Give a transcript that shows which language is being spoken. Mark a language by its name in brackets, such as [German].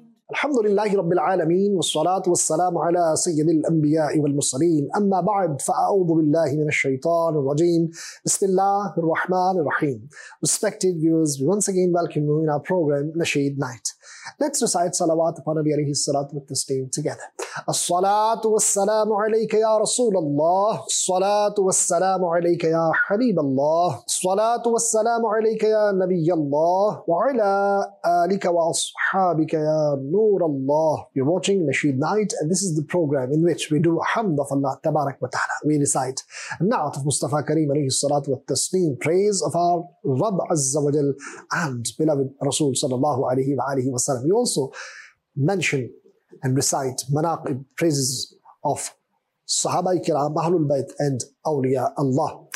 [Arabic] الحمد لله رب العالمين والصلاة والسلام على سيد الأنبياء والمرسلين أما بعد فأعوذ بالله من الشيطان الرجيم بسم الله الرحمن الرحيم. [English] Respected viewers, we once again welcome you in our program Nasheed Night. Let's recite salawat upon Nabi alayhi salatu wa taslim together. [Arabic] الصلاة والسلام عليك يا رسول الله الصلاة والسلام عليك يا حبيب الله الصلاة والسلام عليك يا نبي الله وعلى آلك وأصحابك يا نور الله. [English] You're watching Nasheed Night and this is the program in which we do hamd of Allah tabarak wa ta'ala. We recite na'at of Mustafa Kareem alayhi salatu wa taslim, praise of our Rabb Azza wa Jal and beloved Rasul sallallahu alayhi wa alihi wa sallam. We also mention and recite manaqib, praises of Sahaba Ikram, Ahlul Bayt, and Awliya Allah.